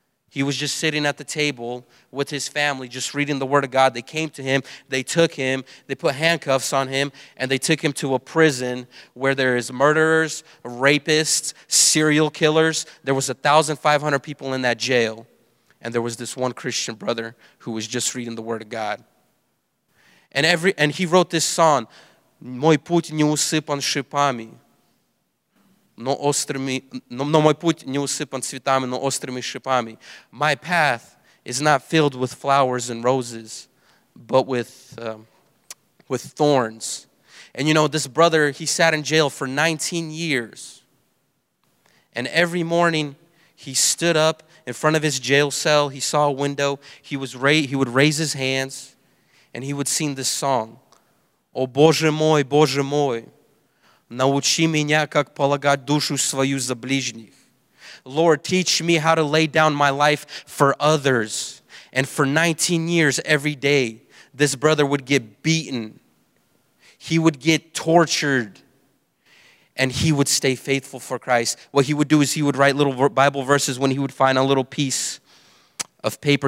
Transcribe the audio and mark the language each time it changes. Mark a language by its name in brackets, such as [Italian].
[English] He was just sitting at the table with his family, just reading the Word of God. They came to him, they took him, they put handcuffs on him, and they took him to a prison where there is murderers, rapists, serial killers. There was 1,500 people in that jail. And there was this one Christian brother who was just reading the Word of God. And he wrote this song, [Russian] Мой путь не усыпан шипами, но острыми, но мой путь не усыпан цветами, но острыми шипами. [English] My path is not filled with flowers and roses, but with thorns. And you know, this brother, he sat in jail for 19 years. And every morning he stood up in front of his jail cell. He saw a window. He would raise his hands. And he would sing this song. [Russian] О, Боже мой, научи меня, как полагать душу свою за ближних. [English] Lord, teach me how to lay down my life for others. And for 19 years, every day, this brother would get beaten. He would get tortured. And he would stay faithful for Christ. What he would do is he would write little Bible verses when he would find a little piece of paper.